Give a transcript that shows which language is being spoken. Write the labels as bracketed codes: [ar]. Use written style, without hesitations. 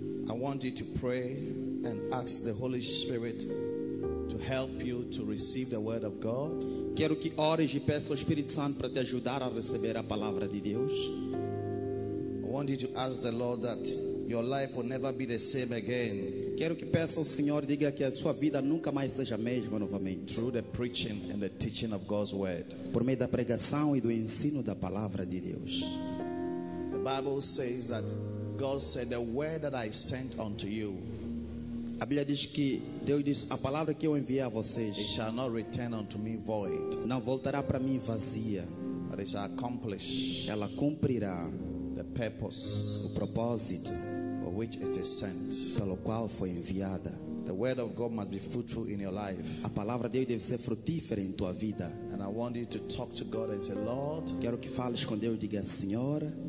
[en] I want you to pray and ask the Holy Spirit to help you to receive the word of God. [pt] Quero que ores e peças ao Espírito Santo para te ajudar a receber a palavra de Deus. [en] I want you to ask the Lord that your life will never be the same again. [pt] Quero que peça ao Senhor, diga que a sua vida nunca mais seja a mesma novamente. [en] Through the preaching and the teaching of God's word. [pt] Por meio da pregação e do ensino da palavra de Deus. [en] The Bible says that God said the word that I sent unto you. [pt] A Bíblia diz que Deus disse a palavra que eu enviei a vocês. [en] It shall not return unto me void. [pt] Não voltará para mim vazia. [en] But it shall accomplish. [pt] Ela cumprirá [en] the purpose. [pt] O propósito. [en] Which it is sent. [pt] Pelo qual foi enviada. [en] The word of God must be fruitful in your life. [pt] A palavra de Deus deve ser frutífera em tua vida. [en] And I want you to talk to God and say, Lord. [pt] Quero que fales com Deus e diga, Senhor.